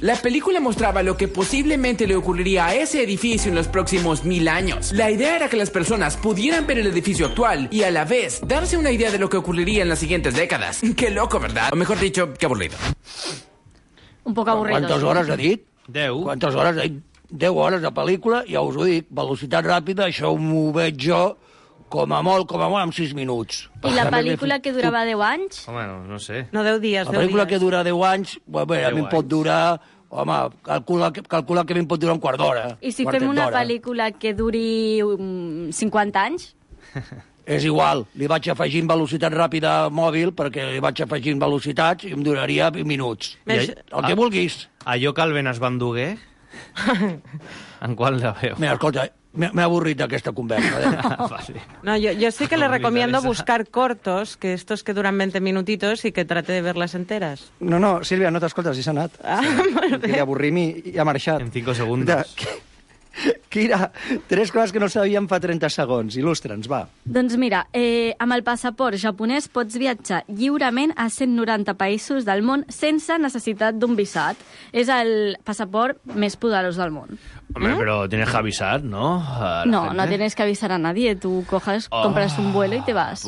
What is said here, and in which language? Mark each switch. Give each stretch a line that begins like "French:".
Spanish: La película mostraba lo que posiblemente le ocurriría a ese edificio en los próximos 1000 años. La idea era que las personas pudieran ver el edificio actual y a la vez darse una idea de lo que ocurriría en las siguientes décadas. Qué loco, ¿verdad? O mejor dicho, qué aburrido. Un poco aburrido. ¿Cuántas horas
Catalan: ha dit?
Spanish: 10. ¿Cuántas horas
Catalan: ha dit?
Spanish: 10 horas de película,
Catalan: ja us ho dic. Velocitat ràpida, això m'ho veig jo com a molt, en 6 minuts. I la pel·lícula que durava 10 anys? Home, no sé. No, 10 dies. La pel·lícula que dura 10 anys, bé, a mi em pot durar... Home, calcula que a mi em pot durar un quart d'hora. I si fem una pel·lícula que duri 50 anys? És igual, li vaig afegint velocitat ràpida mòbil perquè li vaig afegint velocitats i em duraria minuts. El que vulguis. Allò que el Ben es va endugar, en qual la veu? Mira, escolta, m'he avorrit d'aquesta conversa.
Spanish: No, jo sí que le recomiendo buscar cortos, que estos que duran 20 minutitos y que trate de verlas enteras.
Catalan: No, no, Sílvia, no t'escoltes, i s'ha anat. Ah, de avorrir-me i ha marxat.
Spanish: En 5 segundos.
Catalan: Quina, 3 coses que no sabíem fa 30 segons. Il·lustra'ns, va. Doncs mira, amb el passaport japonès pots viatjar lliurement a 190 països del món sense necessitat d'un visat. És el passaport més poderós del món. Home, però
Spanish: tienes que avisar, ¿no? No, no tienes que avisar a nadie. Tú coges, compras un vuelo y te vas.